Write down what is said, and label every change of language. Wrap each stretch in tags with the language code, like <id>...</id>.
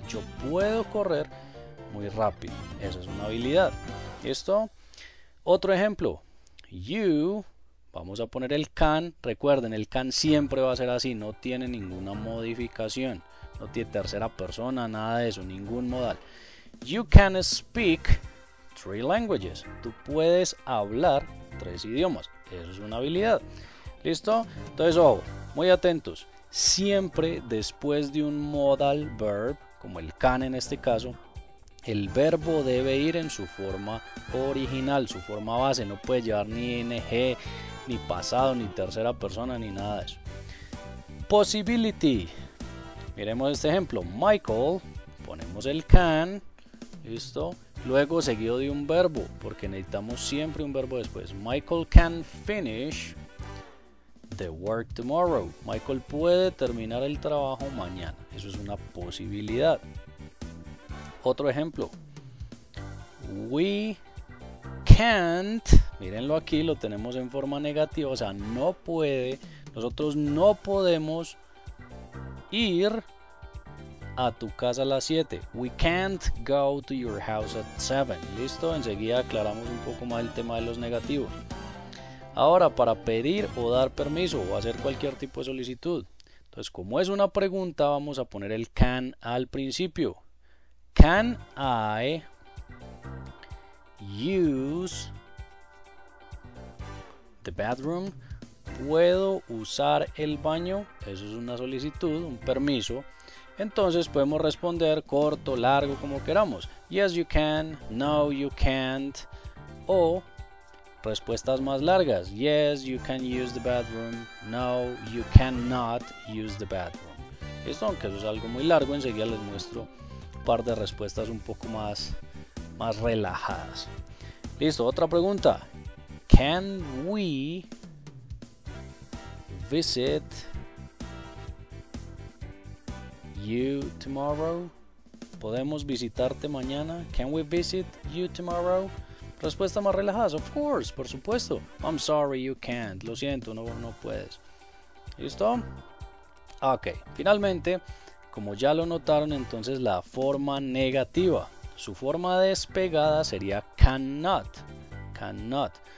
<es>Yo puedo correr muy rápido. Esa es una habilidad. ¿Listo? Otro ejemplo.</es> <en>You.</en> <es>Vamos a poner el can. Recuerden, el can siempre va a ser así. No tiene ninguna modificación. No tiene tercera persona, nada de eso, ningún modal.</es> <en>You can speak 3 languages.</en> <es>Tú puedes hablar 3 idiomas. Eso es una habilidad. ¿Listo? Entonces, ojo, muy atentos. Siempre después de un modal verb, como el can en este caso, el verbo debe ir en su forma original, su forma base. No puede llevar ni ing, ni pasado, ni tercera persona, ni nada de eso. Possibility. Miremos este ejemplo. Michael. Ponemos el can. ¿Listo? Luego seguido de un verbo, porque necesitamos siempre un verbo después.</es> <en>Michael can finish the work tomorrow.</en> <es>Michael puede terminar el trabajo mañana. Eso es una posibilidad. Otro ejemplo.</es> <en>We can't.</en> <es>Mírenlo aquí, lo tenemos en forma negativa. O sea, no puede. Nosotros no podemos ir a tu casa a las 7.</es> <en>We can't go to your house at 7.</en> <es>¿Listo? Enseguida aclaramos un poco más el tema de los negativos. Ahora, para pedir o dar permiso o hacer cualquier tipo de solicitud. Entonces, como es una pregunta, vamos a poner el can al principio.</es> <en>Can I use the bathroom?</en> <es>¿Puedo usar el baño? Eso es una solicitud, un permiso. Entonces podemos responder corto, largo, como queramos.</es> <en>Yes, you can. No, you can't.</en> <es>O respuestas más largas.</es> <en>Yes, you can use the bathroom. No, you cannot use the bathroom.</en> <es>Esto, aunque eso es algo muy largo, enseguida les muestro un par de respuestas un poco más relajadas. Listo, otra pregunta.</es> <en>Can we visit you tomorrow?</en> <es>¿Podemos visitarte mañana?</es> <en>Can we visit you tomorrow?</en> <es>Respuesta más relajada.</es> <en>Of course,</en> <es>por supuesto.</es> <en>I'm sorry, you can't.</en> <es>Lo siento, no puedes. ¿Listo? Ok, finalmente, como ya lo notaron, entonces la forma negativa, su forma despegada sería cannot, cannot.</es>